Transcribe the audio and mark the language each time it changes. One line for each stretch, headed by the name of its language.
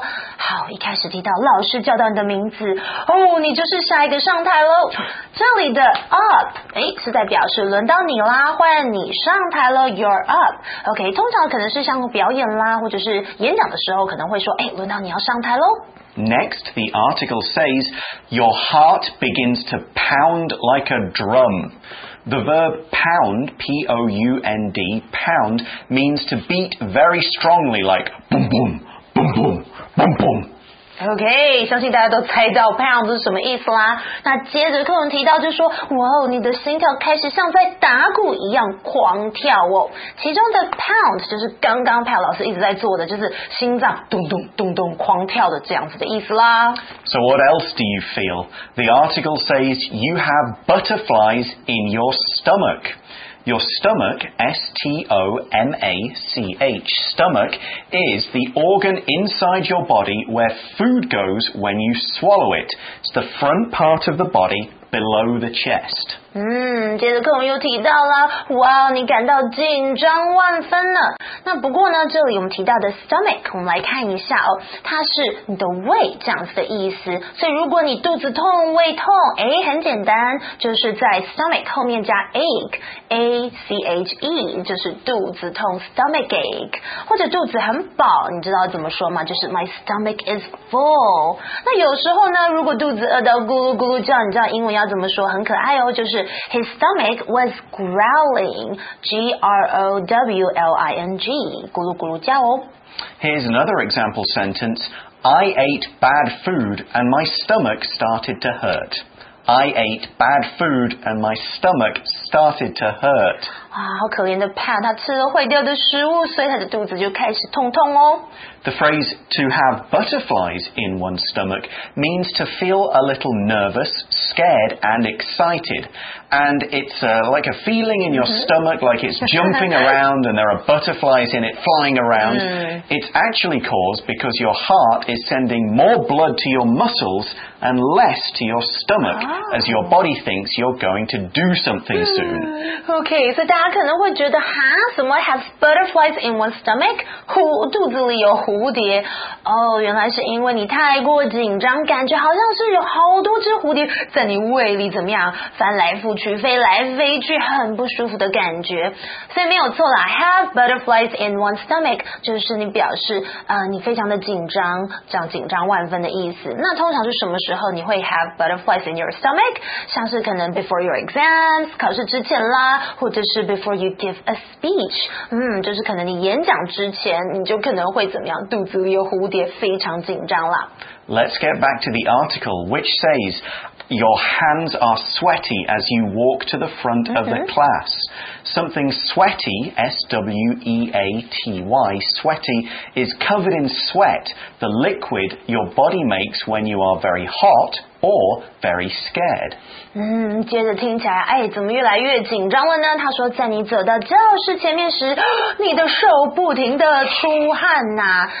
Chinese: 好，一开始提到老师叫到你的名字，哦，你就是下一个上台喽。这里的 up， 哎，是在表示轮到你啦，换你上台了 ，
English: you're up。
Chinese: OK， 通常可能是像表演啦，或者是演讲的时候，可能会说，哎，轮到你要上台喽。
English: Next, the article says, your heart begins to pound like a drum. The verb pound, P-O-U-N-D, pound, means to beat very strongly like boom, boom, boom, boom, boom, boom.
Chinese: OK, 相信大家都猜到 pound 是什么意思啦。那接着课文提到就说，哇哦，你的心跳开始像在打鼓一样狂跳哦。其中的 pound 就是刚刚 Pat 老师一直在做的，就是心脏咚咚咚咚狂跳的这样子的意思啦。
English: So what else do you feel? The article says you have butterflies in your stomach. Your stomach, S-T-O-M-A-C-H, stomach, is the organ inside your body where food goes when you swallow it. It's the front part of the body below the chest.
Chinese: 接着课文又提到了，哇，你感到紧张万分呢。那不过呢，这里我们提到的 stomach， 我们来看一下哦，它是你的胃这样子的意思。所以如果你肚子痛、胃痛，哎，很简单，就是在 stomach 后面加 ache， a c h e， 就是肚子痛 stomach ache， 或者肚子很饱，你知道怎么说吗？就是
English: my stomach is full。
Chinese: 那有时候呢，如果肚子饿到咕噜咕噜叫，你知道英文要怎么说？很可爱哦，就是
English: his stomach was growling，
Chinese: G R O W L I N G， 咕噜咕噜叫哦。
English: Here's another example sentence. I ate bad food and my stomach started to hurt. I ate bad food and my stomach started to hurt.
Chinese: 哇，好可怜的 Pat， 他吃了坏掉的食物，所以他的肚子就开始痛痛哦。
English: The phrase to have butterflies in one's stomach means to feel a little nervous, scared, and excited. And it's like a feeling in your stomach, like it's jumping around and there are butterflies in it flying around. It's actually caused because your heart is sending more blood to your muscles and less to your stomach, as your body thinks you're going to do something soon. Okay, so
Chinese: 大家可能会觉得，哈，怎么
English: have butterflies in one's stomach?
Chinese: 肚子里有蝴蝶，哦，原来是因为你太过紧张，感觉好像是有好多只蝴蝶在你胃里怎么样翻来覆去，飞来飞去，很不舒服的感觉。所以没有错啦，
English: have butterflies in one's stomach
Chinese: 就是你表示你非常的紧张，这样紧张万分的意思。那通常是什么时候你会
English: have butterflies in your stomach？
Chinese: 像是可能
English: before your exams，
Chinese: 考试之前啦，或者是
English: before you give a speech，
Chinese: 就是可能你演讲之前，你就可能会怎么样，肚子里有蝴蝶，非常紧张啦。
English: Let's get back to the article, which says, your hands are sweaty as you walk to the front of the class. Something sweaty, S-W-E-A-T-Y, sweaty, is covered in sweat, the liquid your body makes when you are very hot,or very scared.
Chinese: 接着听起来，哎，怎么越来越紧张了呢？他说，在你走到教室前面时，你的手不停的出汗呐。